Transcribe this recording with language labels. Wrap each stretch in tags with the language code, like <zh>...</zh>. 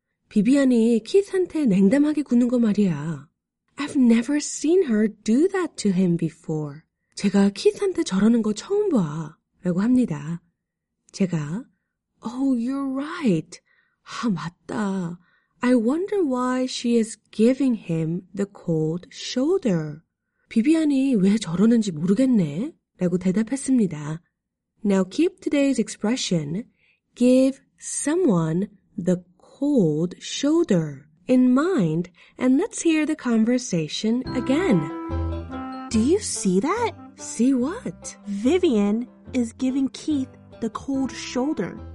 <ko>비비안이 키스한테 냉담하게 구는 거 말이야.</ko> <en>I've never seen her do that to him before.</en> <ko>제가 키스한테 저러는 거 처음 봐. 라고 합니다. 제가</ko> <en>Oh, you're right.</en> <ko>아, 맞다.</ko> <en>I wonder why she is giving him the cold shoulder.</en> <ko>비비안이 왜 저러는지 모르겠네. 라고 대답했습니다.</ko> <en>Now keep today's expression, give someone the cold shoulder, in mind, and let's hear the conversation again. Do you see that? See what? Vivian is giving Keith the cold shoulder.</en>